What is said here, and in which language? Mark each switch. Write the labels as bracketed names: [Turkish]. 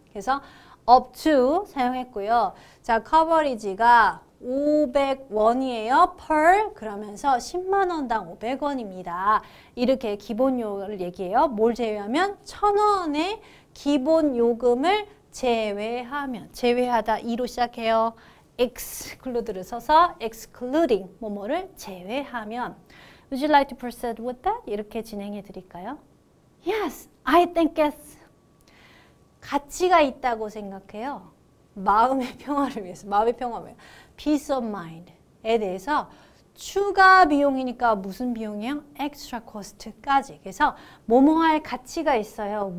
[Korean] 그래서 up to 사용했고요. 자, coverage가 500원이에요. per 그러면서 10만 원당 500원입니다. 이렇게 기본료를 얘기해요. 뭘 제외하면 1,000원의 기본 요금을 제외하면 제외하다 2로 시작해요. [English] exclude를 써서 excluding 뭐뭐를 제외하면 Would you like to proceed with that? [Korean] 이렇게 진행해 드릴까요? [English] Yes, I think yes. [Korean] 가치가 있다고 생각해요. 마음의 평화를 위해서 마음의 평화예요. Peace of mind에 대해서 추가 비용이니까 무슨 비용이에요? extra cost까지 그래서 뭐뭐할 가치가 있어요.